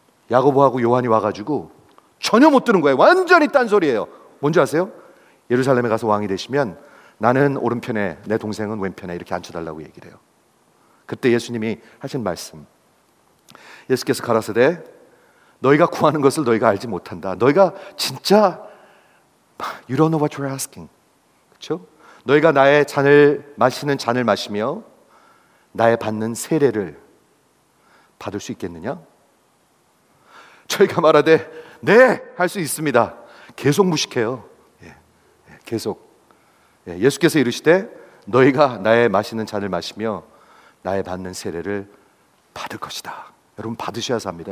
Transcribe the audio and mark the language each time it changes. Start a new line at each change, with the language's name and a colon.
Korean: 야고보하고 요한이 와가지고 전혀 못 듣는 거예요. 완전히 딴소리예요. 뭔지 아세요? 예루살렘에 가서 왕이 되시면 나는 오른편에, 내 동생은 왼편에 이렇게 앉혀달라고 얘기를 해요. 그때 예수님이 하신 말씀, 예수께서 가라사대 너희가 구하는 것을 너희가 알지 못한다. 너희가 진짜
English: You don't know what you're asking.
Korean: 그렇죠? 너희가 나의 잔을 마시는 잔을 마시며 나의 받는 세례를 받을 수 있겠느냐? 저희가 말하되 네! 할 수 있습니다. 계속 무식해요. 계속 예수께서 이르시되 너희가 나의 마시는 잔을 마시며 나의 받는 세례를 받을 것이다. 여러분 받으셔야 삽니다.